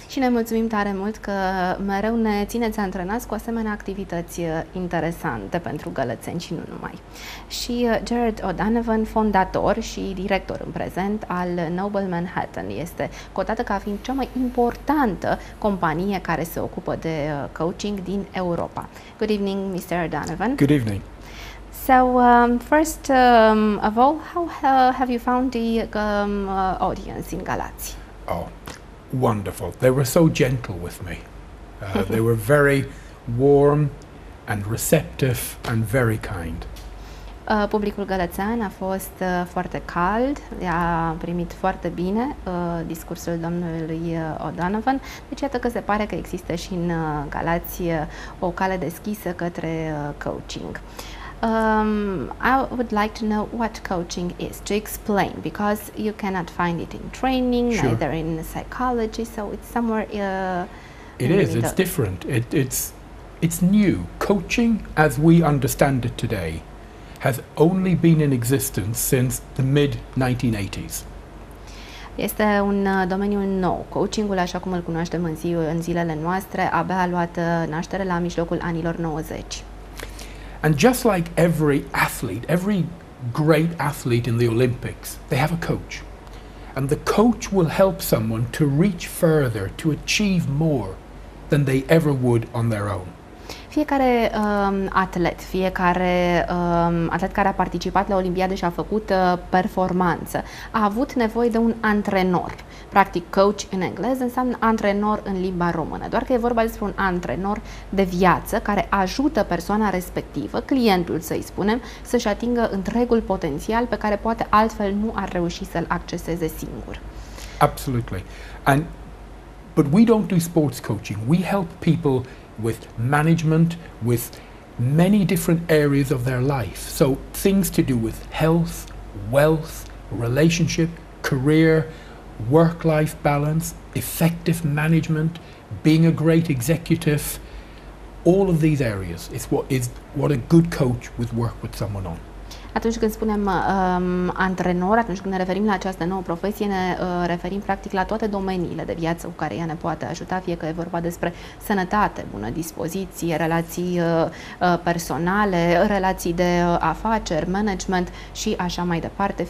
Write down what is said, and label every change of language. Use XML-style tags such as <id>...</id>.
<ro>Și ne mulțumim tare mult că mereu ne țineți antrenați cu asemenea activități interesante pentru gălățeni și nu numai. Și Gerard O'Donovan, fondator și director în prezent al Noble Manhattan, este cotată ca fiind cea mai importantă companie care se ocupă de coaching din Europa.</ro> <en>Good evening, Mr. O'Donovan. Good evening. So, first of all, how have you found the audience in Galați? Oh, wonderful. They were so gentle with me. They were very warm and receptive and very kind.</en> <ro>Publicul gălățean a fost foarte cald, i-a primit foarte bine discursul domnului O'Donovan. Deci iată că se pare că există și în Galați o cale deschisă către coaching.</ro> <en>I would like to know what coaching is, to explain, because you cannot find it in training, sure, neither in psychology, so it's somewhere... It's different. It's new. Coaching, as we understand it today, has only been in existence since the mid-1980s.</en> <ro>Este un domeniu nou. Coachingul, așa cum îl cunoaștem în zilele noastre, abia a luat naștere la mijlocul anilor 90.</ro> <en>And just like every athlete, every great athlete in the Olympics, they have a coach. And the coach will help someone to reach further, to achieve more than they ever would on their own.</en> <ro>Fiecare atlet, fiecare atlet care a participat la Olimpiadă și a făcut performanță, a avut nevoie de un antrenor. Practic, coach în engleză înseamnă antrenor în limba română, doar că e vorba despre un antrenor de viață care ajută persoana respectivă, clientul să-i spunem, să-și atingă întregul potențial pe care poate altfel nu ar reuși să-l acceseze singur.</ro> <en>Absolutely. And, but we don't do sports coaching. We help people with management, with many different areas of their life. So things to do with health, wealth, relationship, career, work-life balance, effective management, being a great executive, all of these areas is what a good coach would work with someone on.</en> <ro>Atunci când spunem antrenor, atunci când ne referim la această nouă profesie, ne referim practic la toate domeniile de viață cu care ea ne poate ajuta, fie că e vorba despre sănătate, bună dispoziție, relații personale, relații de afaceri, management și așa mai departe.</ro>